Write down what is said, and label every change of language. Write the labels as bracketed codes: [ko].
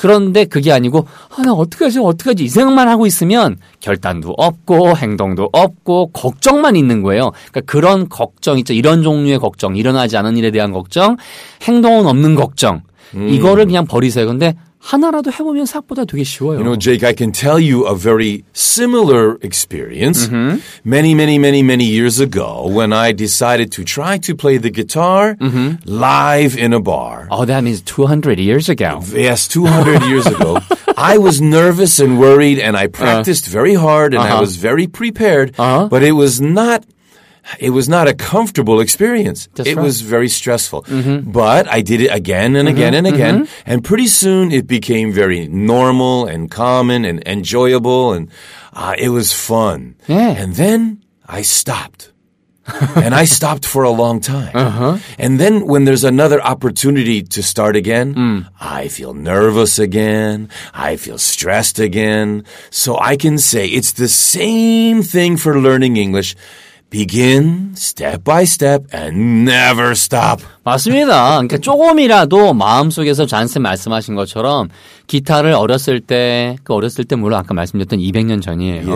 [ko] 그런데 그게 아니고 나 어떡하지 이 생각만 하고 있으면 결단도 없고 행동도 없고 걱정만 있는 거예요. 그러니까 그런 걱정 있죠. 이런 종류의 걱정, 일어나지 않은 일에 대한 걱정, 행동은 없는 걱정. 이거를 그냥 버리세요. 근데 하나라도 해 보면 생각보다 되게 쉬워요. [en] You know, Jake, I can tell you a very similar experience. Many years ago when I decided to try to play the guitar live in a bar. Oh, that means 200 years ago. Yes, 200 years ago. I was nervous and worried and I practiced very hard and I was very prepared, but it was not a comfortable experience. That's it right. was very stressful. Mm-hmm. But I did it again and again and again. And pretty soon it became very normal and common and enjoyable. And it was fun. Yeah. And then I stopped. And I stopped for a long time. Uh-huh. And then when there's another opportunity to start again, I feel nervous again. I feel stressed again. So I can say it's the same thing for learning English. Begin step by step and never stop. [ko] 맞습니다. 그러니까 조금이라도 마음속에서 잔스 말씀하신 것처럼 기타를 어렸을 때, 그 어렸을 때 물론 아까 말씀드렸던 200년 전이에요.